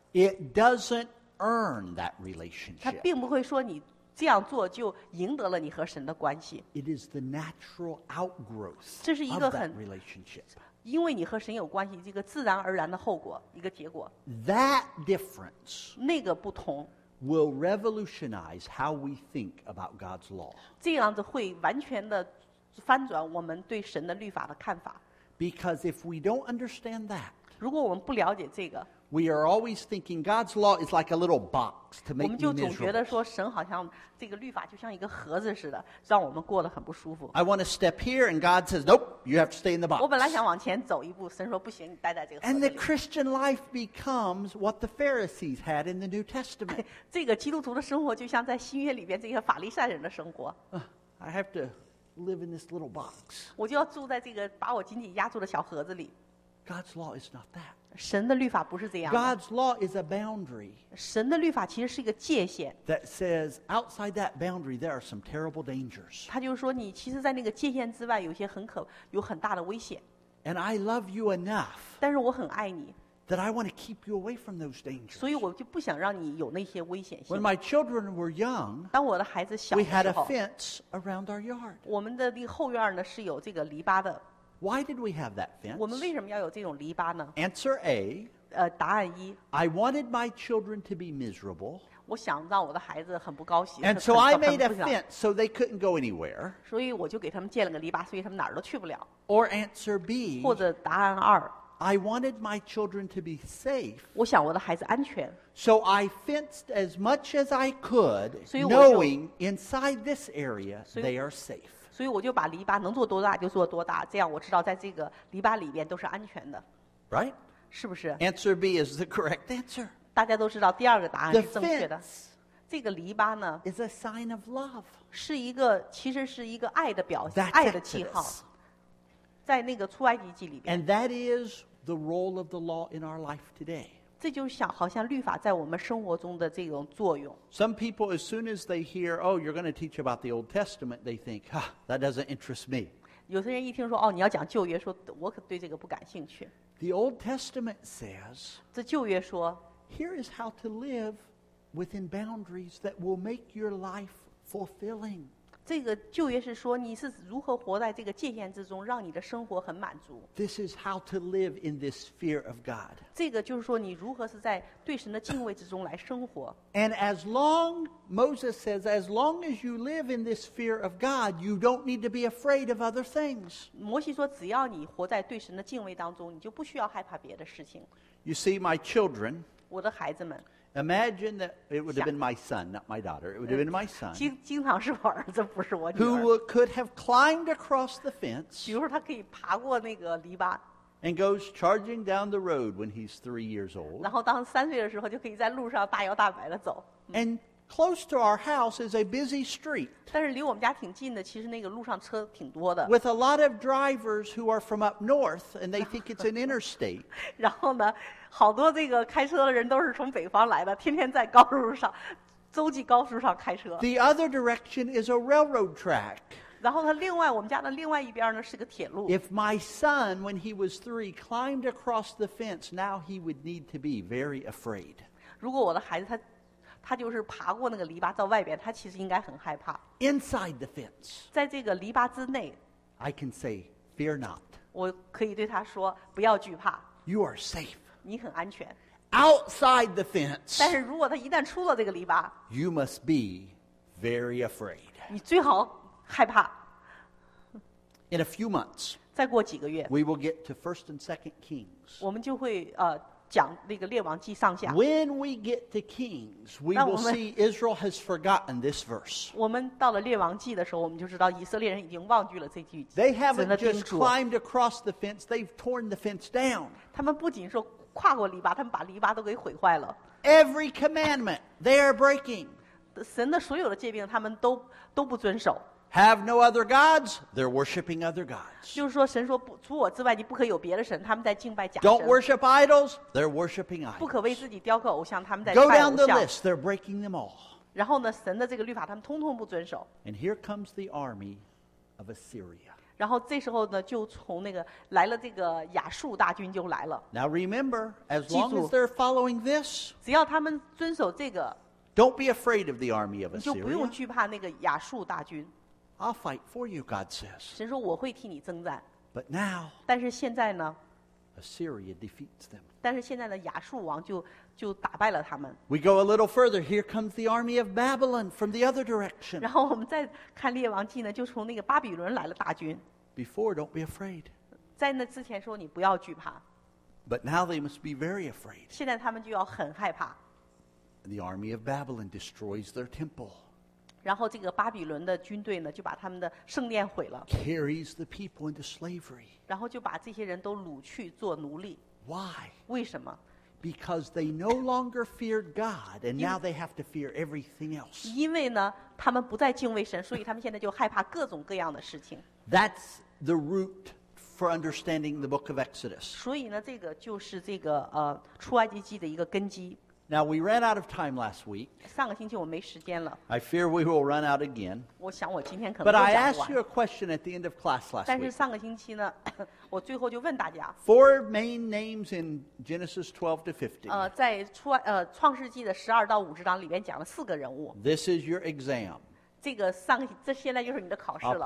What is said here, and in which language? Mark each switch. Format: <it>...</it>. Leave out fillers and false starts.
<en>It doesn't earn that relationship.</en> <zh>它并不会说你。这样做就赢得了你和神的关系。</zh> <en>It is the natural outgrowth.</en> <zh>这是一个很</zh> <en>relationship.</en> <zh>因为你和神有关系，这个自然而然的后果，一个结果。</zh> <en>That difference.</en> <zh>那个不同。</zh> <en>Will revolutionize how we think about God's law.</en> <zh>这样子会完全的翻转我们对神的律法的看法。</zh> <en>Because if we don't understand that.</en> <zh>如果我们不了解这个。</zh> <en>We are always thinking God's law is like a little box to make you miserable.</en> <zh>我们就总觉得说神好像这个律法就像一个盒子似的，让我们过得很不舒服。</zh> <en>I want to step here, and God says, "Nope, you have to stay in the box."</en> <zh>我本来想往前走一步，神说不行，你待在这个盒子。</zh> <en>And the Christian life becomes what the Pharisees had in the New Testament.</en> <zh>这个基督徒的生活就像在新约里边这些法利赛人的生活。</zh> <en>I have to live in this little box.</en> <zh>我就要住在这个把我紧紧压住的小盒子里。</zh> <en>God's law is not that.</en> <zh>神的律法不是这样的。</zh> <en>God's law is a boundary.</en> <zh>神的律法其实是一个界限。</zh> <en>That says outside that boundary there are some terrible dangers.</en> <zh>他就是说你其实在那个界限之外有些很可有很大的危险。</zh> <en>And I love you enough.</en> <zh>但是我很爱你。</zh> <en>That I want to keep you away from those dangers.</en> <zh>所以我就不想让你有那些危险性。</zh> <en>When my children were young,</en> <zh>当我的孩子小的时候</zh> <en>we had a fence around our yard.</en> <zh>我们的那后院呢是有这个篱笆的。</zh> <en>Why did we have that fence?</en> <zh>我们为什么要有这种篱笆呢</zh> <en>？Answer A.</en> <zh>答案一。</zh> <en>I wanted my children to be miserable.</en> <zh>我想让我的孩子很不高兴。</zh> <en>And so I made a fence so they couldn't go anywhere.</en> <zh>所以我就给他们建了个篱笆，所以他们哪儿都去不了。</zh> <en>Or answer B.</en> <zh>或者答案二。</zh> <en>I wanted my children to be safe.</en> <zh>我想我的孩子安全。</zh> <en>So I fenced as much as I could, knowing inside this area they are safe.</en> <zh>所以我就把篱笆能做多大就做多大，这样我知道在这个篱笆里边都是安全的。</zh> <en>Right?</en> <zh>是不是？</zh> <en>Answer B is the correct answer.</en> <zh>大家都知道第二个答案是正确的。这个篱笆呢</zh> <en>is a sign of love.</en> <zh>是一个，其实是一个爱的表现，爱的记号。在那个出埃及记里边。</zh> <en>And that is the role of the law in our life today.</en> <zh>这就像好像律法在我们生活中的这种作用。</zh> <en>Some people, as soon as they hear, "Oh, you're going to teach about the Old Testament," they think, "Ah, that doesn't interest me."</en> <zh>有些人一听说哦，你要讲旧约，说我可对这个不感兴趣。</zh> <en>The Old Testament says,</en> <zh>这旧约说</zh> <en>"Here is how to live within boundaries that will make your life fulfilling."</en> <zh>这个旧约是说你是如何活在这个界限之中，让你的生活很满足。</zh> <en>This is how to live in this fear of God.</en> <zh>这个就是说你如何是在对神的敬畏之中来生活。</zh> <en>And as long, Moses says, as long as you live in this fear of God, you don't need to be afraid of other things.</en> <zh>摩西说只要你活在对神的敬畏当中，你就不需要害怕别的事情。</zh> <en>You see, my children,</en> <zh>我的孩子们，</zh> <en>Imagine that it would have been my son, not my daughter. It would have been my son.</en> <zh>经常是我儿子，不是我女儿。</zh> <en>Who would, could have climbed across the fence.</en> <zh>比如说他可以爬过那个篱笆。</zh> <en>And goes charging down the road when he's 3 years old.</en> <zh>然后当三岁的时候就可以在路上大摇大摆地走。</zh> <en>And close to our house is a busy street.</en> <zh>但是离我们家挺近的，其实那个路上车挺多的。</zh> <en>With a lot of drivers who are from up north and they think it's an interstate.</en> <zh>然后呢好多这个开车的人都是从北方来的，天天在高速上，洲际高速上开车。</zh> <en>The other direction is a railroad track.</en> <zh>然后他另外我们家的另外一边呢是个铁路。</zh> <en>If my son, when he was 3, climbed across the fence, now he would need to be very afraid.</en> <zh>如果我的孩子他就是爬过那个篱笆到外边，他其实应该很害怕。</zh> <en>Inside the fence.</en> <zh>在这个篱笆之内。</zh> <en>I can say, fear not.</en> <zh>我可以对他说不要惧怕。</zh> <en>You are safe.</en> <zh>你很安全。</zh> <en>Outside the fence,</en> <zh>但是如果他一旦出了这个篱笆，</zh> <en>you must be very afraid.</en> <zh>你最好害怕。</zh> <en>In a few months,</en> <zh>再过几个月，</zh> <en>we will get to 1st and 2nd Kings.</en> <zh>我们就会讲那个列王记上下。</zh> <en>When we get to Kings, we will see Israel has forgotten this verse.</en> <zh>我们到了列王记的时候，我们就知道以色列人已经忘记了这句。</zh> <en>They haven't just climbed across the fence; they've torn the fence down.</en> <zh>他们不仅说跨过篱笆，他们把篱笆都给毁坏了。</zh> <en>Every commandment they are breaking.</en> <zh>神的所有的诫命，他们都不遵守。</zh> <en>Have no other gods. They're worshiping other gods.</en> <zh>就是说，神说不，除我之外，你不可有别的神。他们在敬拜假神。</zh> <en>Don't worship idols. They're worshiping idols.</en> <zh>不可为自己雕刻偶像。他们在拜偶像。</zh> <en>Go down the list. They're breaking them all.</en> <zh>然后呢，神的这个律法，他们通通不遵守。</zh> <en>And here comes the army of Assyria.</en> <zh>然后这时候呢，就从那个来了这个亚述大军就来了。</zh> <en>Now remember, as long as they're following this,</en> <zh>只要他们遵守这个</zh> <en>，Don't be afraid of the army of Assyria.</en> <zh>你就不用惧怕那个亚述大军。</zh> <en>I'll fight for you, God says.</en> <zh>神说我会替你征战。</zh> <en>But now,</en> <zh>但是现在呢</zh> <en>，Assyria defeats them.</en> <zh>但是现在的亚述王就打败了他们。</zh> <en>We go a little further. Here comes the army of Babylon from the other direction.</en> <zh>然后我们再看列王记呢，就从那个巴比伦来了大军。</zh> <en>Before, don't be afraid.</en> <zh>在那之前说你不要惧怕。</zh> <en>But now they must be very afraid.</en> <zh>现在他们就要很害怕。</zh> <en>The army of Babylon destroys their temple.</en> <zh>然后这个巴比伦的军队呢，就把他们的圣殿毁了。</zh> <en>Carries the people into slavery.</en> <zh>然后就把这些人都掳去做奴隶。</zh> <en>Why?</en> <zh>为什么？</zh> <en>Because they no longer feared God, and now they have to fear everything else.</en> <zh>因为呢，他们不再敬畏神，所以他们现在就害怕各种各样的事情。</zh> <en>That's the root for understanding the book of Exodus.</en> <zh>所以呢，这个就是这个出埃及记的一个根基。</zh> <en>Now we ran out of time last week.</en> <zh>上个星期我没时间了。</zh> <en>I fear we will run out again.</en> <zh>我想我今天可能讲不完。</zh> <en>But I asked you a question at the end of class last week.</en> <zh>但是上个星期呢，我最后就问大家。</zh> <en>Four main names in Genesis 12 to 15.</en> <zh>在创世纪的十二到五十章里面讲了四个人物。</zh> <en>This is your exam.</en> <zh>这现在就是你的考试了。</zh>